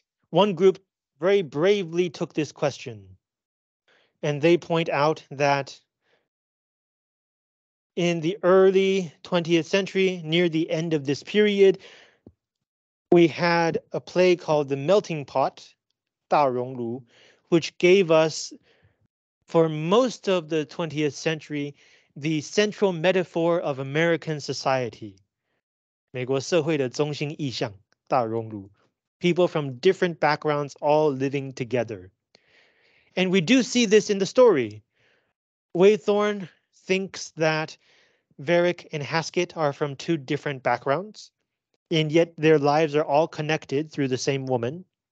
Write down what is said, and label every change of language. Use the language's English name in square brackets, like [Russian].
[English] One group very bravely took this question, and they point out that in the early 20th century, near the end of this period, we had a play called The Melting Pot, 大熔炉, which gave us, for most of the 20th century, the central metaphor of American society. [Chinese] 美国社会的中心意象,大熔炉. [English] People from different backgrounds all living together. And we do see this in the story. Waythorn thinks that Varick and Haskett are from two different backgrounds, and yet their lives are all connected through the same woman.